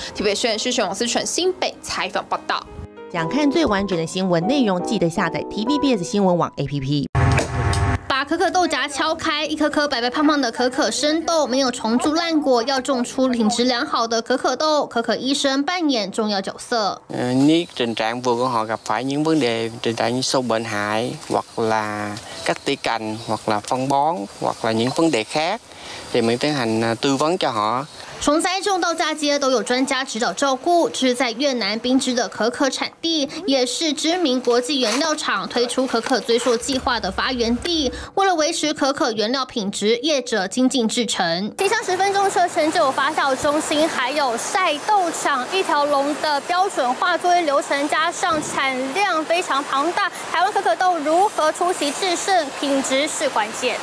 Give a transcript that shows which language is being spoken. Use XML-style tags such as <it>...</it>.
<zh>台北县市新闻王思纯新北采访报道。想看最完整的新闻内容，记得下载 TVBS 新闻网 APP。把可可豆荚敲开，一颗颗白白胖胖的可可生豆没有虫蛀烂果，要种出品质良好的可可豆。可可医生扮演重要角色。你正常不跟</zh> <vi>họ gặp phải những vấn đề tình trạng như sâu bệnh hại hoặc là cắt tỉa cành hoặc là phân bón hoặc là những vấn đề khác thì mình tiến hành tư vấn cho họ。</vi> <zh>从栽种到嫁接都有专家指导照顾。这是在越南冰芝的可可产地，也是知名国际原料厂推出可可追溯计划的发源地。为了维持可可原料品质，业者精进制程，提上10分钟车程就有发酵中心，还有晒豆厂，一条龙的标准化作业流程，加上产量非常庞大，台湾可可豆如何出奇制胜，品质是关键。</zh>